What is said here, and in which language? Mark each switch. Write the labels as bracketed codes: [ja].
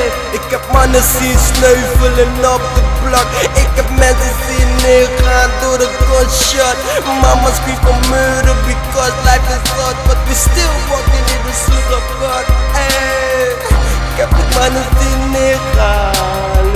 [nl] Ik heb mannen zien sneuvelen op de blok. Ik heb mensen zien neergaan door de gunshot. [en] Mama scream for murder because life is hard. But we still walking in the shoes of God. [nl] Hey, ik heb mannen zien neergaan.